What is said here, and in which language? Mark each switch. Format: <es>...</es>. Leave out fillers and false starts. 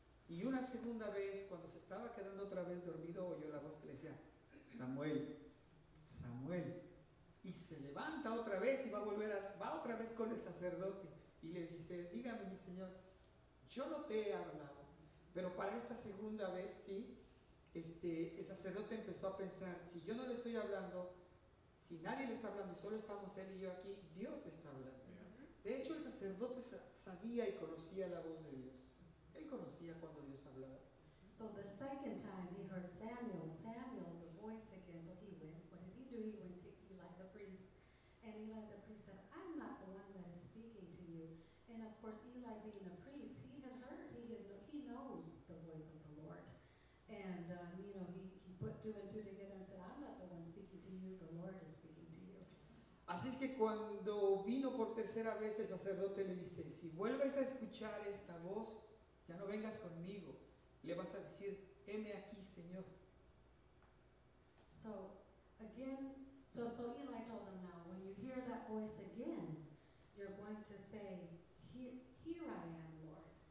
<es>Y una segunda vez, cuando se estaba quedando otra vez dormido, oyó la voz que le decía, Samuel, Samuel, y se levanta otra vez y va otra vez con el sacerdote y le dice, dígame mi señor, yo no te he hablado, pero para esta segunda vez, sí, el sacerdote empezó a pensar, si yo no le estoy hablando, si nadie le está hablando y solo estamos él y yo aquí, Dios le está hablando. De hecho, el sacerdote sabía y conocía la voz de Dios, él conocía cuando Dios hablaba.</es> <en>So the second time he heard the Samuel, Samuel, the voice again. So he went. What did he do? He went to Eli the priest. And Eli the priest said, I'm not the one that is speaking to you. And of course, Eli being a priest, he had heard, he knows the voice of the Lord. And, you know, he put two and two together and said, I'm not the one speaking to you, the Lord is speaking to you.</en> <es>Así es que cuando vino por tercera vez el sacerdote le dice, si vuelves a escuchar esta voz, ya no vengas conmigo, le vas a decir, heme aquí, Señor.</es> <en>So, again, so Eli told him now, when you hear that voice again, you're going to say, here I am, Lord.</en>